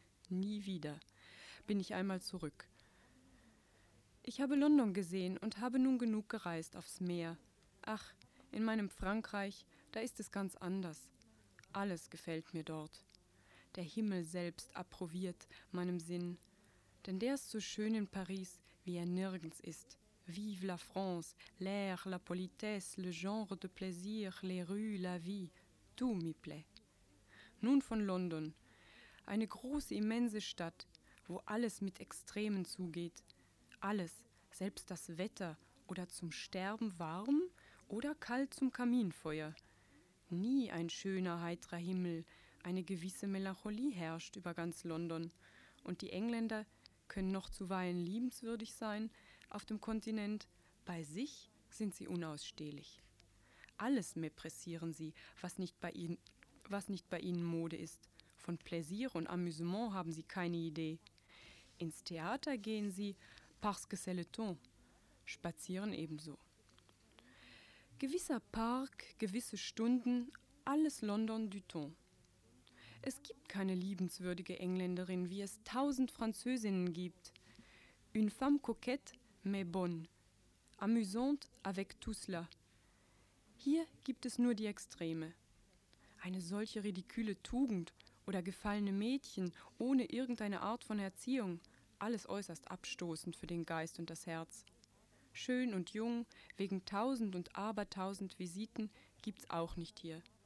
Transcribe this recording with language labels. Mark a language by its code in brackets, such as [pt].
[de] Nie wieder bin ich einmal zurück. Ich habe London gesehen und habe nun genug gereist aufs Meer. Ach, in meinem Frankreich, da ist es ganz anders. Alles gefällt mir dort. Der Himmel selbst approbiert meinem Sinn. Denn der ist so schön in Paris, wie er nirgends ist. [fr] Vive la France, l'air, la politesse, le genre de plaisir, les rues, la vie, tout me plaît. [de] Nun von London, eine große, immense Stadt, wo alles mit Extremen zugeht. Alles, selbst das Wetter, oder zum Sterben warm oder kalt zum Kaminfeuer. Nie ein schöner, heiterer Himmel, eine gewisse Melancholie herrscht über ganz London. Und die Engländer können noch zuweilen liebenswürdig sein, auf dem Kontinent, bei sich sind sie unausstehlich. Alles mepressieren sie, was nicht bei ihnen Mode ist. Von Plaisir und Amüsement haben sie keine Idee. Ins Theater gehen sie, [fr] parce que c'est le ton, [de] spazieren ebenso. Gewisser Park, gewisse Stunden, alles London du ton. Es gibt keine liebenswürdige Engländerin, wie es 1000 Französinnen gibt. [fr] Une femme coquette, mais bonne. Amusante avec tout cela. [de] Hier gibt es nur die Extreme. Eine solche ridicule Tugend oder gefallene Mädchen ohne irgendeine Art von Erziehung, alles äußerst abstoßend für den Geist und das Herz. Schön und jung, wegen 1000 und abertausend Visiten gibt's auch nicht hier.